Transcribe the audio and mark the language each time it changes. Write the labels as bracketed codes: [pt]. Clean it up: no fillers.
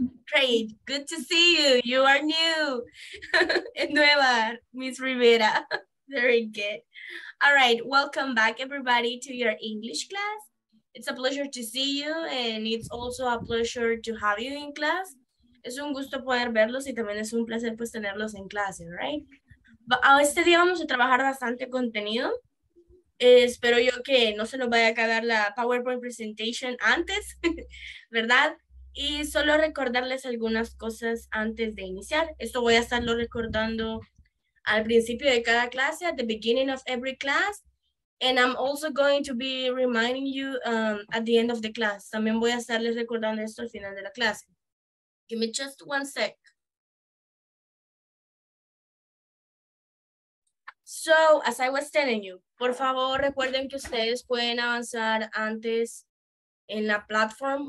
[en] Great, good to see you. You are new. [es] En nueva, [en] Miss Rivera. Very good. All right, welcome back, everybody, to your English class. It's a pleasure to see you, and it's also a pleasure to have you in class. [es] Es un gusto poder verlos, y también es un placer pues tenerlos en clase, right? Este día vamos a trabajar bastante contenido. Espero yo que no se nos vaya a acabar la PowerPoint presentation antes, ¿verdad? Y solo recordarles algunas cosas antes de iniciar. Esto voy a estarlo recordando al principio de cada clase, [en] at the beginning of every class. And I'm also going to be reminding you at the end of the class. [es] También voy a estarles recordando esto al final de la clase. [en] Give me just one sec. So, as I was telling you, [es] por favor, recuerden que ustedes pueden avanzar antes en la platform.